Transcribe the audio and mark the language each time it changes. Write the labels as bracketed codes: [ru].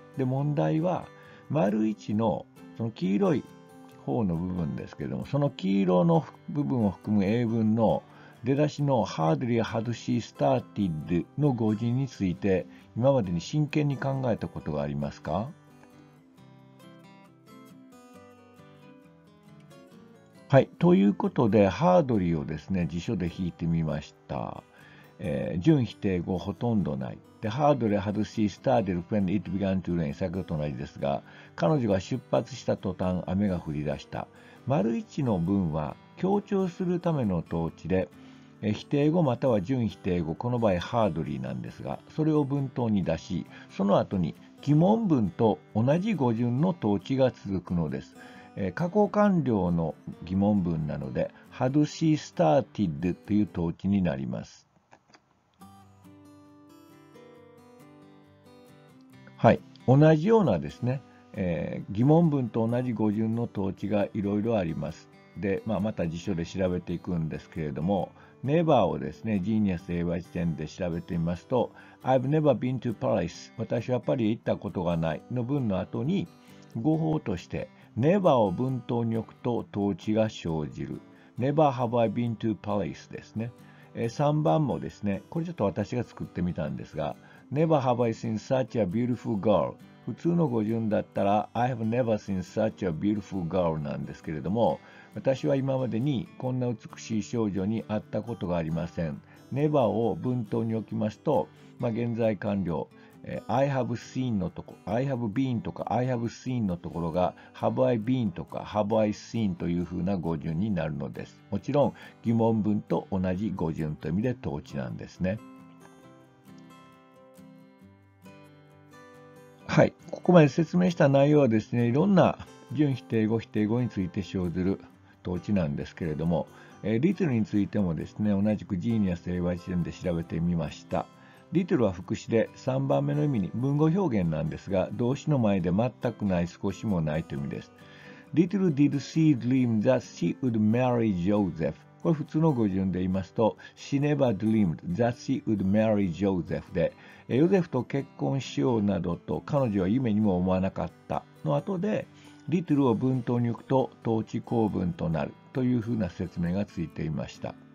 [ja] で、問題は、丸1のその黄色い方の部分ですけれども、その黄色の部分を含む英文の出だしの [en] Hardly had she started [ja] の語順について今までに真剣に考えたことがありますか？はい、ということで Hardly をですね、辞書で引いてみました。準否定語ほとんどない。 [en] で、Hardly had she started when it began to rain。 [ja] 先ほどと同じですが、彼女が出発した途端雨が降り出した。丸一の文は強調するための統置で、否定語または準否定語、この場合 Hardly なんですが、それを文頭に出し、その後に疑問文と同じ語順の統置が続くのです。過去完了の疑問文なので、 [en] had she started [ja] という統置になります。はい、同じようなですね、疑問文と同じ語順の統置がいろいろあります。で、まあ、また辞書で調べていくんですけれども、Never をですね、ジーニアス英和辞典で調べてみますと、 [en] I've never been to Paris。 [ja] 私はパリへ行ったことがないの文の後に、語法として、Never を文頭に置くと統置が生じる。 [en] Never have I been to Paris [ja] ですね。 3番もですね、これちょっと私が作ってみたんですが、 [en] Never have I seen such a beautiful girl。 [ja] 普通の語順だったら [en] I have never seen such a beautiful girl [ja] なんですけれども、私は今までにこんな美しい少女に会ったことがありません。 Never を文頭に置きますと、まあ、現在完了、I have seen のとこ、 [en] I have been [ja] とか [en] I have seen [ja] のところが [en] Have I been [ja] とか [en] Have I seen [ja] というふうな語順になるのです。もちろん疑問文と同じ語順という意味で統置なんですね。はい、ここまで説明した内容はですね、いろんな準否定語、否定語について生ずる統置なんですけれども、リトルについてもですね、同じくジーニアス英和辞典で調べてみました。リトルは副詞で、3番目の意味に文語表現なんですが、動詞の前で全くない、少しもないという意味です。 [en] リトル did she dream that she would marry Joseph。 [ja] これ普通の語順で言いますと、 [en] She never dreamed that she would marry Joseph [ja] で、ヨゼフと結婚しようなどと彼女は夢にも思わなかったの後で、リトルを文頭に置くと統置構文となるというふうな説明がついていました。